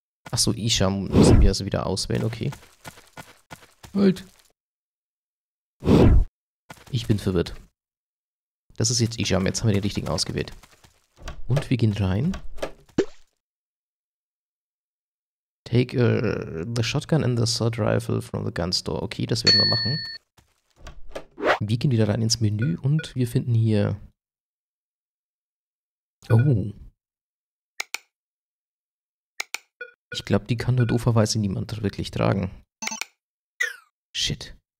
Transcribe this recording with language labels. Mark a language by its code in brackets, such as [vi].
[de] Achso, Isham müssen wir also wieder auswählen, okay. Halt. Ich bin verwirrt. Das ist jetzt Isham, jetzt haben wir den richtigen ausgewählt. Und wir gehen rein. [en] Take the shotgun and the assault rifle from the gun store. [de] Okay, das werden wir machen. Wir gehen wieder rein ins Menü und wir finden hier... Oh. Ich glaube, die kann nur dooferweise niemand wirklich tragen. Shit.